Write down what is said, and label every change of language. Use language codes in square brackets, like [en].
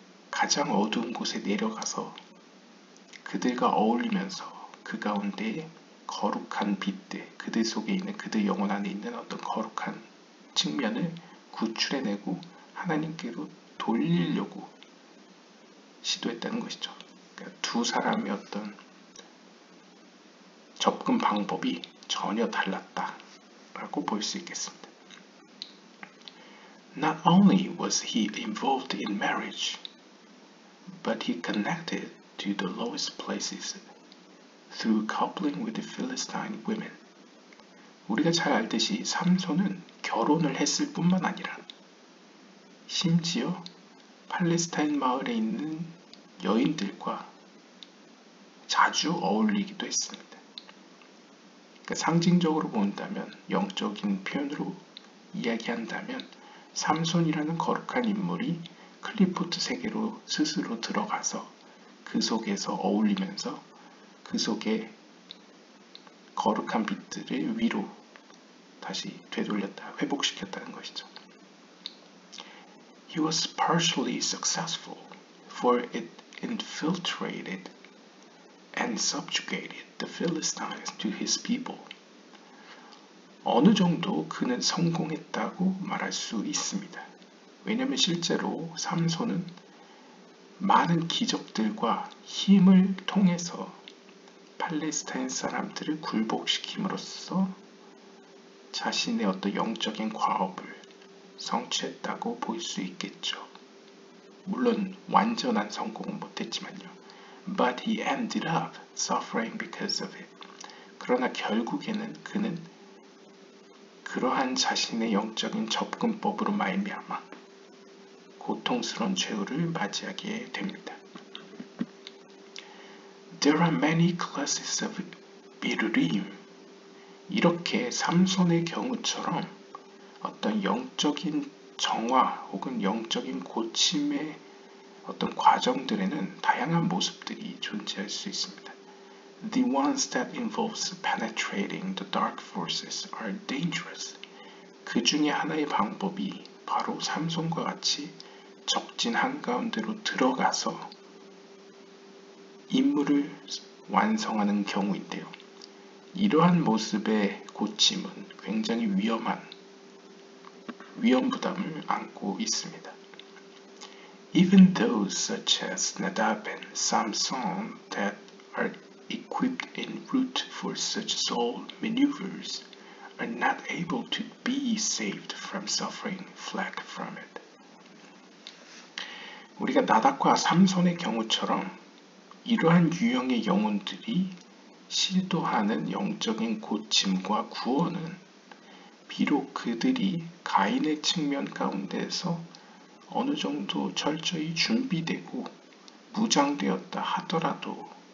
[ko] 가장 어두운 곳에 내려가서 그들과 어울리면서 그 가운데 거룩한 빛들, 그들 속에 있는 그들 영혼 안에 있는 어떤 거룩한 측면을 구출해내고 하나님께로 돌리려고 시도했다는 것이죠. 그러니까 두 사람의 어떤 접근 방법이 전혀 달랐다라고 볼 수 있겠습니다. [en] Not only was he involved in marriage, but he connected to the lowest places through coupling with the Philistine women. [ko] 우리가 잘 알듯이 삼손은 결혼을 했을 뿐만 아니라 심지어 팔레스타인 마을에 있는 여인들과 자주 어울리기도 했습니다. 그러니까 상징적으로 본다면, 영적인 표현으로 이야기한다면 삼손이라는 거룩한 인물이 클리포트 세계로 스스로 들어가서 그 속에서 어울리면서 그 속에 거룩한 빛들을 위로 다시 되돌렸다, 회복시켰다는 것이죠. [en] He was partially successful, for it infiltrated and subjugated the Philistines to his people. [ko] 어느 정도 그는 성공했다고 말할 수 있습니다. 왜냐하면 실제로 삼손은 많은 기적들과 힘을 통해서 팔레스타인 사람들을 굴복시킴으로써 자신의 어떤 영적인 과업을 성취했다고 볼 수 있겠죠. 물론 완전한 성공은 못했지만요. [en] But he ended up suffering because of it. [ko] 그러나 결국에는 그는 그러한 자신의 영적인 접근법으로 말미암아 고통스러운 최후를 맞이하게 됩니다. [en] There are many classes of Birurim. [ko] 이렇게 삼손의 경우처럼 어떤 영적인 정화 혹은 영적인 고침의 어떤 과정들에는 다양한 모습들이 존재할 수 있습니다. [en] The ones that involves penetrating the dark forces are dangerous. [ko] 그 중에 하나의 방법이 바로 삼손과 같이 적진 한가운데로 들어가서 임무를 완성하는 경우인데요. 이러한 모습의 고침은 굉장히 위험한 위험부담을 안고 있습니다. [en] Even those such as Nadab and Samson that are equipped en route for such soul maneuvers are not able to be saved from suffering flak from it. [ko] 우리가 나답과 삼손의 경우처럼 이러한 유형의 영혼들이 시도하는 영적인 고침과 구원은 비록 그들이 가인의 측면 가운데서 어느 정도 철저히 준비되고 무장되었다 하더라도